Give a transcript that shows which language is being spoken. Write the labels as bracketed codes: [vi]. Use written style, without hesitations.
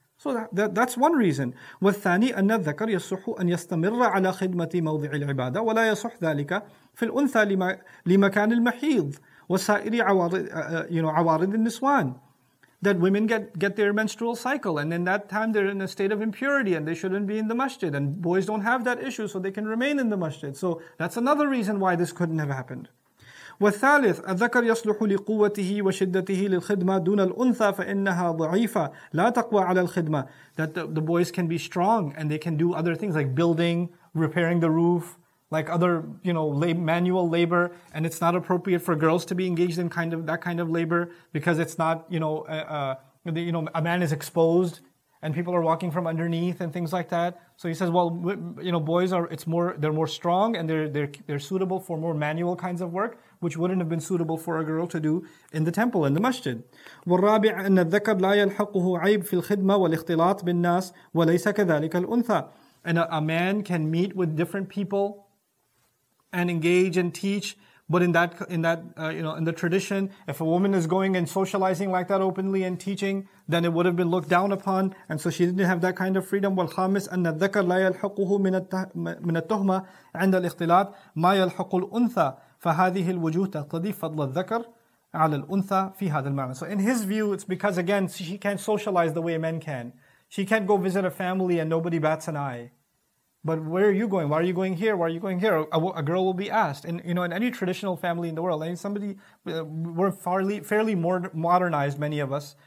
[en] So that's one reason. [ar] وَالثَّانِي أَنَّ الذَّكَرْ يَصُحُ أَنْ يَسْتَمِرَّ عَلَى خِدْمَةِ مَوْضِعِ الْعِبَادَةِ وَلَا يَصُحْ ذَلِكَ فِي الْأُنْثَى لِمَكَانِ الْمَحِيضِ وَسَائِرِ عَوَارِدِ النِّسْوَانِ. [en] That women get their menstrual cycle, and in that time they're in a state of impurity and they shouldn't be in the masjid. And boys don't have that issue, so they can remain in the masjid. So that's another reason why this couldn't have happened. [ar] والثالث الذكر يصلح لقوته وشدته للخدمة دون الأنثى فإنها ضعيفة لا تقوى على الخدمة. [en] That the boys can be strong and they can do other things like building, repairing the roof, like other, you know, manual labor, and it's not appropriate for girls to be engaged in kind of that kind of labor because it's not, you know, a man is exposed and people are walking from underneath and things like that. So he says, well, you know, boys are, it's more, they're more strong and they're suitable for more manual kinds of work, which wouldn't have been suitable for a girl to do in the temple, in the masjid. [ar] والرابع أن الذكر لا يلحقه عيب في الخدمة والاختلاط بالناس وليس كذلك الأنثى. [en] And a man can meet with different people and engage and teach, but in the tradition, if a woman is going and socializing like that openly and teaching, then it would have been looked down upon, and so she didn't have that kind of freedom. [ar] والخامس أن الذكر لا يلحقه من التهمة عند الاختلاط ما يلحق الأنثى فهذه الوجوه تقتضي فضل الذكر على الأنثى في هذا المعنى. [en] So in his view, it's because again she can't socialize the way men can. She can't go visit a family and nobody bats an eye. But where are you going? Why are you going here? Why are you going here? A girl will be asked. And you know, in any traditional family in the world, I mean, somebody, we're fairly more modernized, many of us.